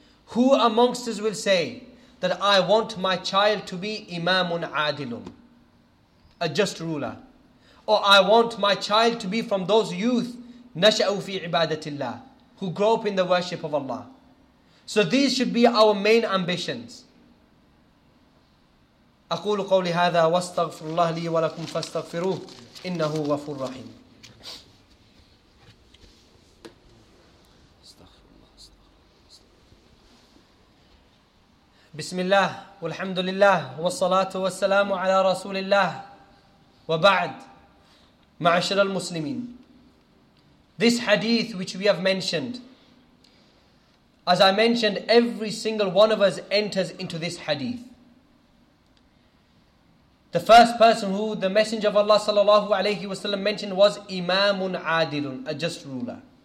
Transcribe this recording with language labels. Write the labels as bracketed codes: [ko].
[en] Who amongst us will say that I want my child to be Imamun Adilun, a just ruler? Or I want my child to be from those youth, Nasha'u fi ibadatillah, who grow up in the worship of Allah. So these should be our main ambitions. [ar] أقول قولي هذا واستغفر الله لي ولكم فاستغفروه إنه غفور رحيم. بسم الله والحمد لله والصلاة والسلام على رسول الله وبعد معشر المسلمين. [en] This hadith which we have mentioned, as I mentioned, every single one of us enters into this hadith. The first person who the Messenger of Allah sallallahu alayhi wasallam mentioned was Imamun Adilun, a just ruler.